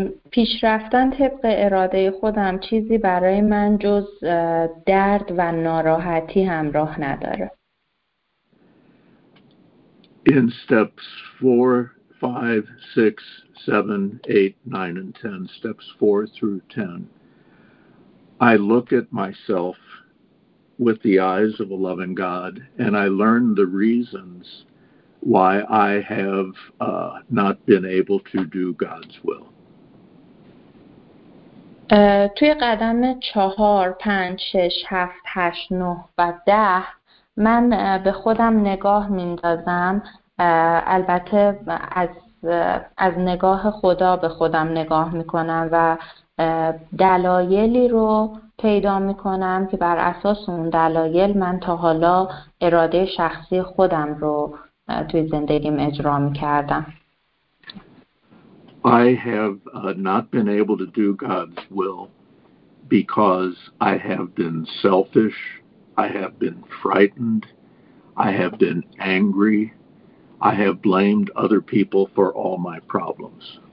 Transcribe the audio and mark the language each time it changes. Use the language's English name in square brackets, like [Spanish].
[Persian] پیشرفتن طبق اراده خودم چیزی برای من جز درد و ناراحتی همراه نداره. [English] In steps 4, 5, 6, 7, 8, 9 and 10, steps 4 through 10, I look at myself with the eyes of a loving God and I learn the reasons why I have not been able to do God's will. [Persian] توی قدم 4, 5, 6, 7, 8, 9 و 10 من به خودم نگاه میندازم، البته از نگاه خدا به خودم نگاه میکنم و دلایلی رو پیدا میکنم که بر اساس اون دلایل من تا حالا اراده شخصی خودم رو توی زندگیم اجرا میکردم. [English] I have not been able to do God's will because I have been selfish, I have been frightened, I have been angry, I have blamed other people for all my problems.